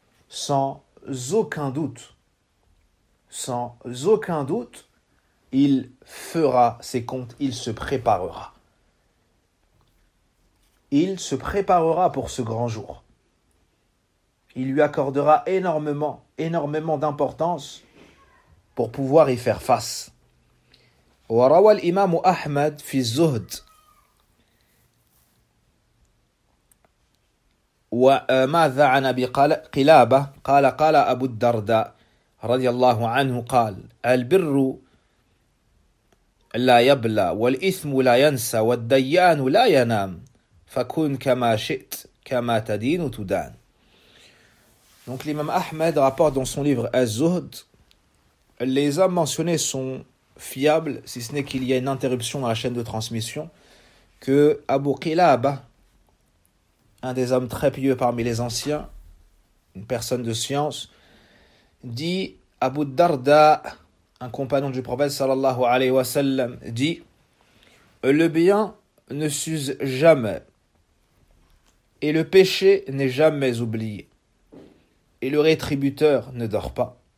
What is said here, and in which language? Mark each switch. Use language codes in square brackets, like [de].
[fr] sans aucun doute. Sans aucun doute, il fera ses comptes, il se préparera. Il se préparera pour ce grand jour. Il lui accordera énormément, énormément d'importance pour pouvoir y faire face. [ar] وروى الإمام أحمد في الزهد وماذا عن أبي قلابة قال قال أبو الدرداء رضي الله عنه قال البر لا يبلى والإثم لا ينسى والديان لا ينام فكن كما شئت كما تدين تدان. [fr] Donc l'imam Ahmed rapporte dans son livre Az-Zuhd, les hommes mentionnés sont fiable, si ce n'est qu'il y a une interruption dans la chaîne de transmission, que Abu Qilaba, un des hommes très pieux parmi les anciens, une personne de science, dit Abu Darda, un compagnon du prophète sallallahu alayhi wa sallam, dit le bien ne s'use jamais et le péché n'est jamais oublié et le rétributeur ne dort pas.